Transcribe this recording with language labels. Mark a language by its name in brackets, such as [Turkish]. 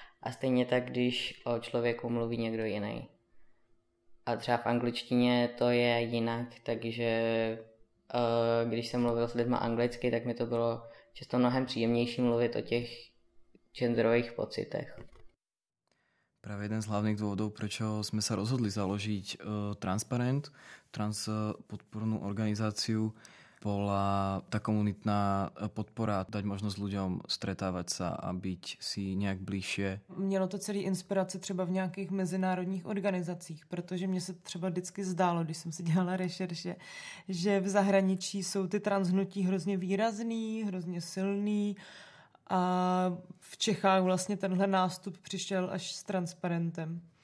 [Czech] A stejně tak, když o člověku mluví někdo jiný. A třeba v angličtině to je jinak, takže když jsem mluvil s lidma anglicky, tak mi to bylo často mnohem příjemnější mluvit o těch genderových pocitech. [Slovak] Práve jeden z hlavných dôvodov, prečo sme sa rozhodli založiť Transparent, trans podpornú organizáciu, bola tá komunitná podpora, dať možnosť ľuďom stretávať sa a byť si nejak bližšie. [Czech] Mělo to celý inspirace třeba v nejakých mezinárodních organizacích, [Slovak] pretože mne sa [Czech] třeba vždycky zdálo, když som si dělala rešerše, že v zahraničí sú ty transhnutí hrozně výrazný, hrozně silný. A v Čechách vlastně tenhle nástup přišel až s Transparentem.